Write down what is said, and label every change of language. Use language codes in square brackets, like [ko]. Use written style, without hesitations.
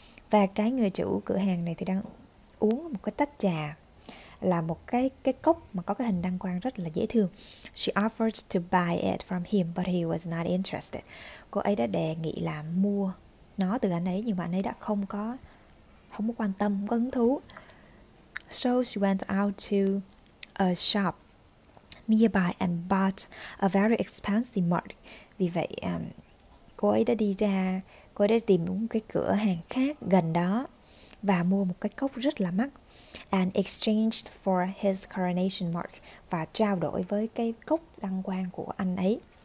[vi] Và cái người chủ cửa hàng này thì đang uống một cái tách trà, là một cái cốc mà có cái hình đăng quang rất là dễ thương. [en] She offered to buy it from him, but he was not interested. [vi] Cô ấy đã đề nghị là mua nó từ anh ấy, nhưng mà anh ấy đã không có quan tâm, không có hứng thú. [en] So she went out to a shop nearby and bought a very expensive mug. [vi] Vì vậy, cô ấy đã tìm một cái cửa hàng khác gần đó và mua một cái cốc rất là mắc, [en] and exchanged for his coronation mug, [vi] và trao đổi với cái cốc đăng quang của anh ấy.